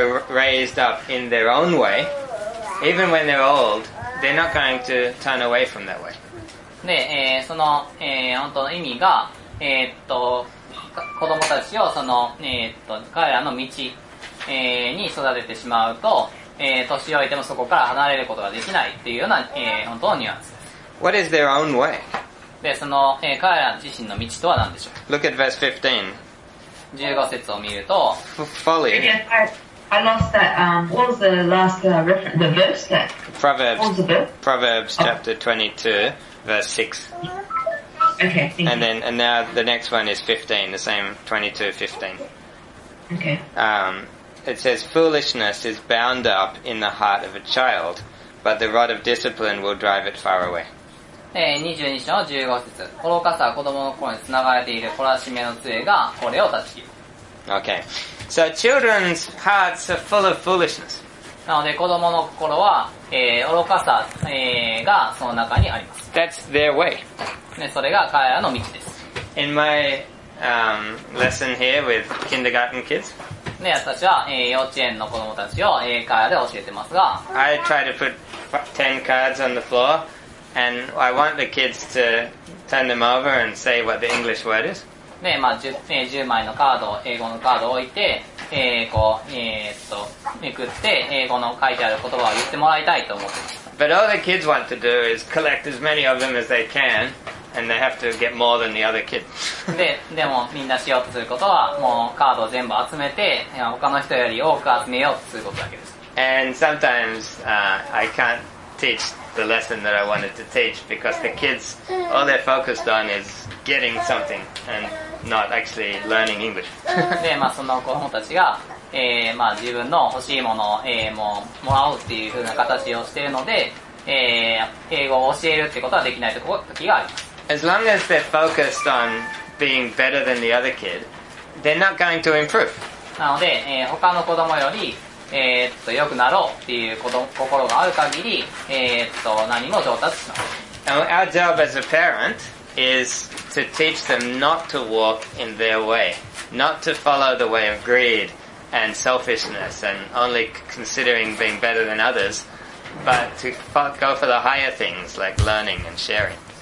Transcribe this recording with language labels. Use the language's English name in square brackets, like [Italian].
[English] raised up in their own way, even when they're old, they're not going to turn away from that way. [Japanese] で、その、本当の意味が、子供たちをその、彼らの道、に育ててしまうと、年老いてもそこから離れることができないっていうような、本当のニュアンス。 [English] What is their own way? [Japanese] で、その、彼ら自身の道とは何でしょう? [English] Look at verse 15. [Japanese] 15節を見ると、 [English] Folly. I lost that. What was the last reference? The verse that. Proverbs. What was the verse? Proverbs chapter 22, verse 6. Okay. And then, and now the next one is 15. The same 22:15. Okay. It says, "Foolishness is bound up in the heart of a child, but the rod of discipline will drive it far away." [Japanese] 22章の15節、愚かさは子供の心につながれている懲らしめの杖がこれを断ち切る。 [English] Okay. So children's hearts are full of foolishness. [Japanese] なので子供の心は、愚かさ、がその中にあります。 [English] That's their way. [Japanese] で、それが彼らの道です。 [English] In my, lesson here with kindergarten kids. [Japanese] で、私は、幼稚園の子供たちを、彼らで教えてますが、 [English] I try to put 10 cards on the floorAnd I want the kids to turn them over and say what the English word is. [Japanese] で、まあ 10枚のカードを、英語のカードを置いて、こう、めくって、英語の書いてある言葉を言ってもらいたいと思ってます。 [English] But all the kids want to do is collect as many of them as they can, and they have to get more than the other kid. [Japanese] で、でもみんなしようとすることは、もうカードを全部集めて、他の人より多く集めようとすることだけです。 [English] And sometimes, I can't teach. The lesson that I wanted to teach because the kids, all they're focused on is getting something and not actually learning English. [Japanese] で、まあその子供たちが、まあ自分の欲しいものを、もらおうっていう風な形をしているので、英語を教えるってことはできないところ時があります。 [English] As long as they're focused on being better than the other kid, they're not going to improve. [Japanese] なので、他の子供より良くなろうっていう心がある限り、何も上達しない。 [English] Now, our job as a parent is to teach them not to walk in their way, not to follow the way of greed, and selfishness and only considering being better than others, but to go for the higher things like learning and sharing.